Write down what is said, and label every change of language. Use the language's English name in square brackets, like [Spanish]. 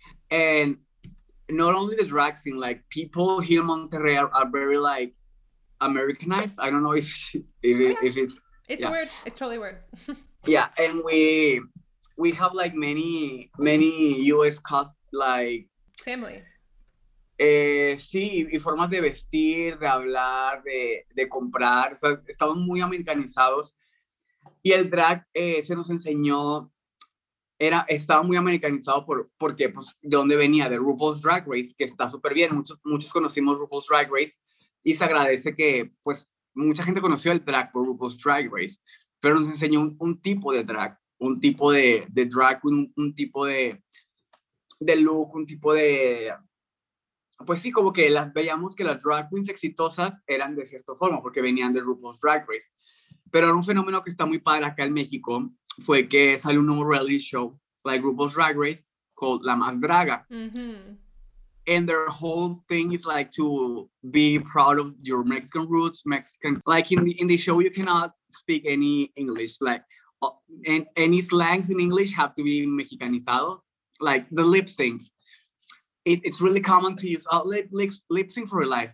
[English] And not only the drag scene, like people here in Monterrey are very like Americanized. I don't know if it's, It's yeah. weird. It's totally weird. Yeah, and we have like many US cost like Family. [Spanish] Sí, y formas de vestir, de hablar, de comprar, o sea, estamos muy americanizados. Y el drag se nos enseñó, estaba muy americanizado porque, pues, ¿de dónde venía? De RuPaul's Drag Race, que está súper bien. Muchos conocimos RuPaul's Drag Race y se agradece que, pues, mucha gente conoció el drag por RuPaul's Drag Race, pero nos enseñó un tipo de drag, un tipo de drag, un tipo de look, un tipo de. Pues sí, como que las veíamos que las drag queens exitosas eran de cierta forma, porque venían de RuPaul's Drag Race. Pero un fenómeno que está muy padre acá en México fue que salió un nuevo reality show, [English] like RuPaul's Drag Race, called [Spanish] La Más Draga. [English] And their whole thing is like to be proud of your Mexican roots, Mexican. Like in the show, you cannot speak any English. Like any slangs in English have to be mexicanizado, like the lip sync. It's really common to use lip sync for life.